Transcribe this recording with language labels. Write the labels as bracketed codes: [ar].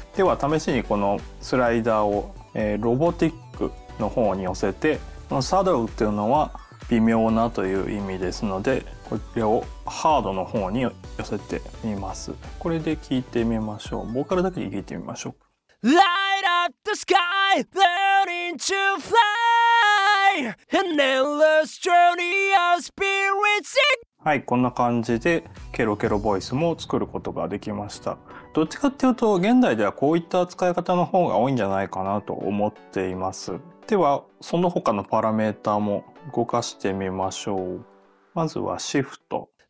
[ja] では試しにこのスライダーを、ロボティックの方に寄せて、このサドルっていうのは微妙なという意味ですので、これをハードの方に寄せてみます。これで聞いてみましょう。ボーカルだけで聞いてみましょう。 [en] Light up the sky, learning to fly, an endless journey of spirits in... [ja] はい、こんな感じでケロケロボイスも作ることができました。どっちかっていうと現代ではこういった使い方の方が多いんじゃないかなと思っています。ではその他のパラメーターも動かしてみましょう。まずはシフト。